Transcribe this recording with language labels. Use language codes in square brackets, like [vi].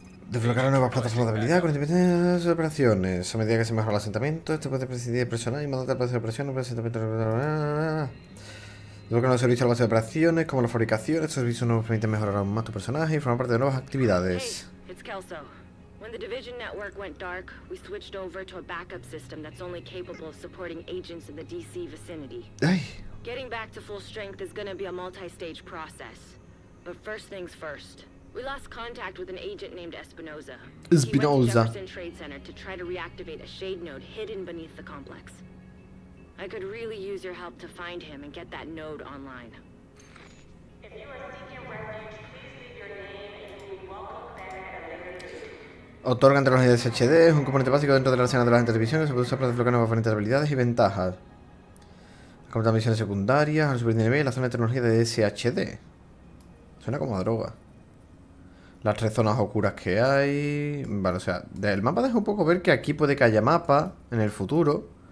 [es] Desbloquear nuevas plataformas de habilidad con independientes operaciones. A medida que se mejora el asentamiento, este puede presidir personal y mandar para hacer operaciones, para el asentamiento. Desbloquear nuevos servicios a la base de operaciones, como la fabricación. Estos servicios nos permiten mejorar aún más tu personaje y formar parte de nuevas actividades. [en] Hey, it's Kelso. When the division network went dark, we switched over to a backup system that's only capable of supporting agents in the DC vicinity. Ay. Getting back to full strength is going to be a multi-stage process. But first things first. We lost contact with an agent named Espinoza. Espinoza. He went to Jefferson Trade Center to try to reactivate a shade node hidden beneath the complex. I could really use your help to find him and get that node online. If you are seeking refuge, please leave your name and you welcome back at a later date. [es] Otorga entre los SHD, es un componente básico dentro de la escena de las interdivisiones, se puede usar para desbloquear nuevas diferentes habilidades y ventajas. Completar misiones secundarias, al subir de nivel, la zona de tecnología de SHD. Suena como a droga. Las tres zonas oscuras que hay. Vale, o sea, del mapa deja un poco ver que aquí puede que haya mapa en el futuro.